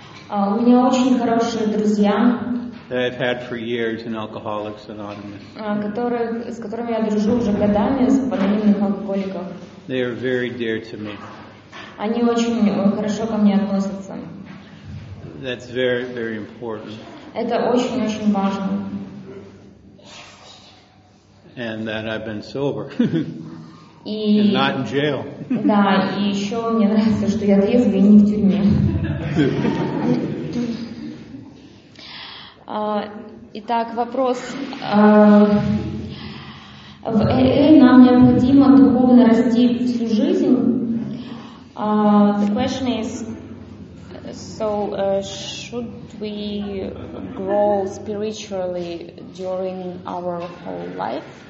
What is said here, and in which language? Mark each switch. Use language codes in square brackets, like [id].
[ru] У меня очень хорошие друзья. [en] That I've had for years in Alcoholics Anonymous. [ru] С которыми я дружу уже годами, с анонимных алкоголиков. [en] They are very dear to me. [ru] Они очень хорошо ко мне относятся. [en] That's very, very important. [ru] Это очень-очень важно. [en] And that I've been sober. [ru] И, [en] and not in jail. [ru] Да, и еще мне нравится, что я трезвый и не в тюрьме. Итак, вопрос. В ЭЭ нам необходимо духовно расти всю жизнь. [en] The question is, so should we grow spiritually during our whole life?